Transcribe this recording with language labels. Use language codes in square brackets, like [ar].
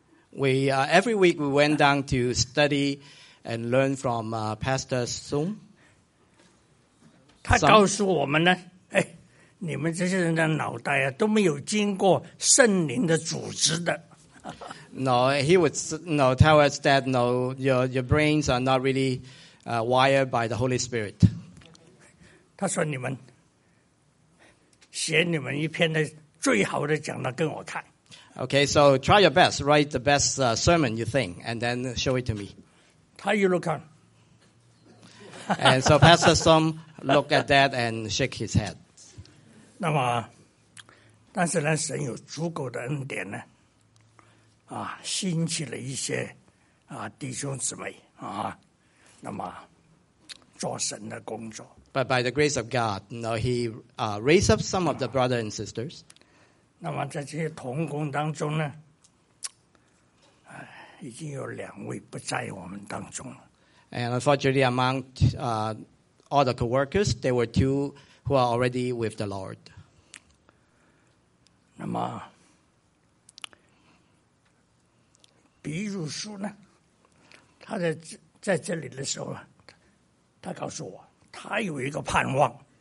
[en] We every week we went down to study and learn from Pastor Song. [zh] 他告诉我们呢，哎，你们这些人的脑袋啊，都没有经过圣灵的组织的。 [en] No, he would tell us that your brains are not really wired by the Holy Spirit. [zh] 他说你们写你们一篇的最好的讲的跟我看。 [en] Okay, so try your best. Write the best sermon you think, and then show it to me. How you look on? And so Pastor Song looked at that and shook his head. [zh] 那么，但是呢，神有足够的恩典呢，啊，兴起了一些啊弟兄姊妹啊，那么做神的工作。 [en] But by the grace of God, he raised up some of the brothers and sisters. [zh] 那么在这些同工当中呢，已经有两位不在我们当中了。 [en] And unfortunately, among all the co-workers, there were two who are already with the Lord. [zh] 那么，比如说呢，他在这里的时候，他告诉我，他有一个盼望。